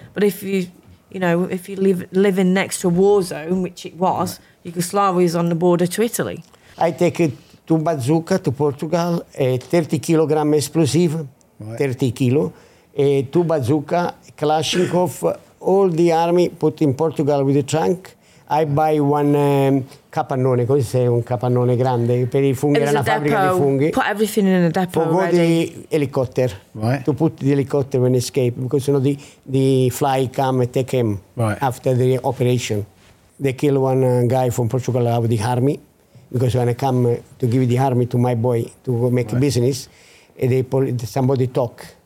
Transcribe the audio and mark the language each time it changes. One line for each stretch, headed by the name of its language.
English: But if you live next to a war zone, which it was, right. Yugoslavia is on the border to Italy. I take it to bazooka to Portugal, 30 kilogram explosive, right. 30 kilo. Two bazooka, Kalashnikov, all the army put in Portugal with a trunk. I buy one
Italian: capannone, come si dice un capannone grande, per i funghi, era una fabbrica di funghi.
English: Put everything in a depot. For go the helicopter, right. To put the helicopter when escape, because you know the fly come and take him right. After the operation. They kill one guy from Portugal out of the army, because when I come to give the army to my boy to make right. A business, somebody talk.